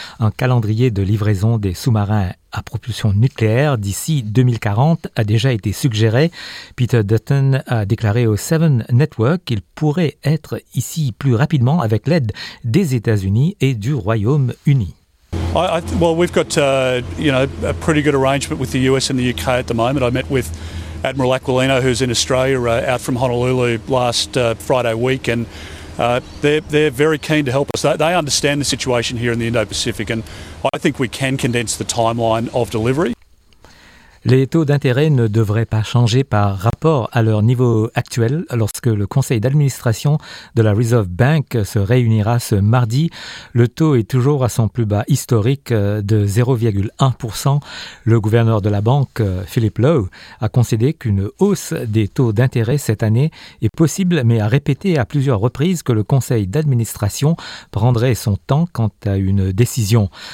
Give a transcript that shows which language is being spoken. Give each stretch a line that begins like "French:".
French: Un calendrier de livraison des sous-marins à propulsion nucléaire d'ici 2040 a déjà été suggéré. Peter Dutton a déclaré au Seven Network qu'il pourrait être ici plus rapidement avec l'aide des États-Unis et du Royaume-Uni.
English: We've got a pretty good arrangement with the US and the UK at the moment. I met with Admiral Aquilino, who's in Australia, out from Honolulu last Friday week, and they're very keen to help us. They understand the situation here in the Indo-Pacific, and I think we can condense the timeline of delivery.
French: Les taux d'intérêt ne devraient pas changer par rapport à leur niveau actuel lorsque le conseil d'administration de la Reserve Bank se réunira ce mardi. Le taux est toujours à son plus bas historique de 0,1%. Le gouverneur de la banque, Philip Lowe, a concédé qu'une hausse des taux d'intérêt cette année est possible, mais a répété à plusieurs reprises que le conseil d'administration prendrait son temps quant à une décision.